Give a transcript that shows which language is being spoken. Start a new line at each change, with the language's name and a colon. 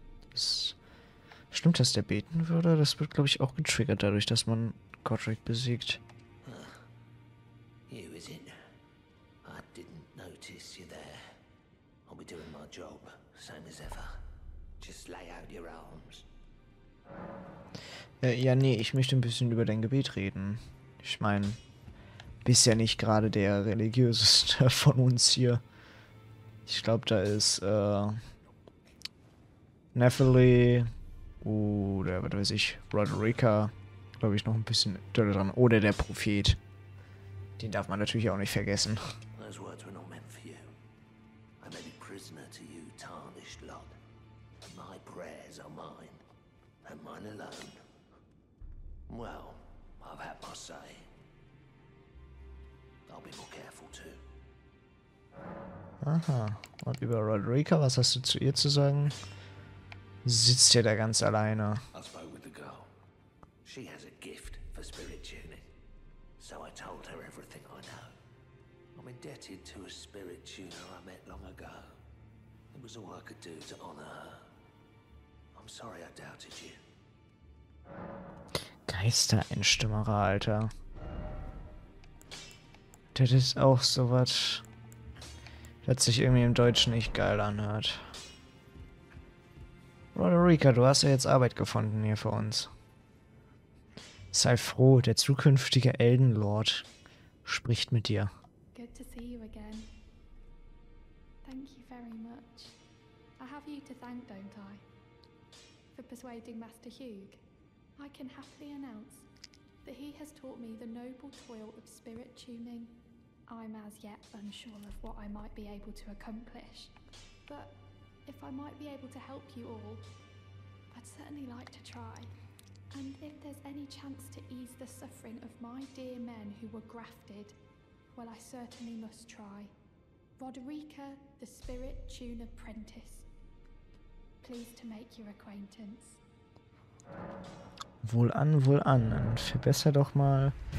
German: Das stimmt, dass der beten würde? Das wird, glaube ich, auch getriggert dadurch, dass man Godric besiegt.
English: You is it? I didn't notice you there. I'll be doing my job, same as ever. Just lay out your arms.
German: Ja, nee, ich möchte ein bisschen über dein Gebet reden. Ich meine, bist ja nicht gerade der religiöseste von uns hier. Ich glaube, da ist, Nephili, oder was weiß ich, Roderica, glaube ich, noch ein bisschen döller dran. Oder der Prophet. Den darf man natürlich auch nicht vergessen.
English: Those words were not meant for you. I may be prisoner to you, tarnished lot. My prayers are mine. And mine alone. Well, I've had my say. I'll be more careful too. Aha.
German: Und über Roderica, was hast du zu ihr zu sagen? Sitzt ja da ganz alleine.
English: I spoke with the girl. She has a gift for spirit tuning. So I told her everything I know. I'm indebted to a spirit tuner I met long ago. It was all I could do to honor her. I'm sorry I doubted you.
German: Geistereinstimmerer, Alter. Das ist auch sowas, das sich irgendwie im Deutschen nicht geil anhört. Roderica, du hast ja jetzt Arbeit gefunden hier für uns. Sei froh, der zukünftige Eldenlord spricht mit dir.
English: Good to see you again. Thank you very much. I have you to thank, don't I? For persuading Master Hugh. I can happily announce that he has taught me the noble toil of spirit tuning. I'm as yet unsure of what I might be able to accomplish, but if I might be able to help you all, I'd certainly like to try. And if there's any chance to ease the suffering of my dear men who were grafted, well, I certainly must try. Roderica, the Spirit Tune Apprentice. Pleased to make your acquaintance.
German: Wohl an, wohl an. Verbesser doch mal